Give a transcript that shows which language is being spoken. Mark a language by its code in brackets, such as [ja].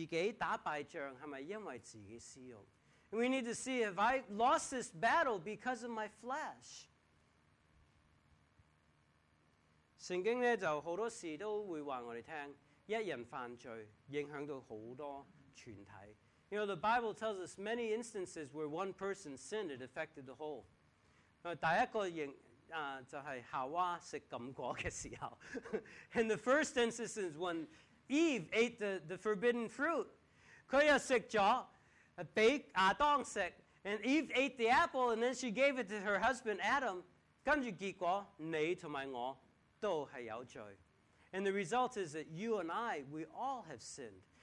[zh] 我们是要留意自己打败仗，是不是因为自己私欲？ [en] And we need to see, have I lost this battle because of my flesh? [zh] 圣经呢，就好多事都会告诉我们， 一人犯罪，影响到好多全体。 [en] You know, the Bible tells us many instances where one person sinned, it affected the whole. [zh] 第一个就是夏娃吃禁果的时候。 [en] And the first instance is when Eve ate the forbidden fruit. [zh] 她又吃了，被亚当吃。 [en] And Eve ate the apple, and then she gave it to her husband Adam. [zh] 跟着结果，你和我都是有罪。 [en] And the result is that you and I, we all have sinned.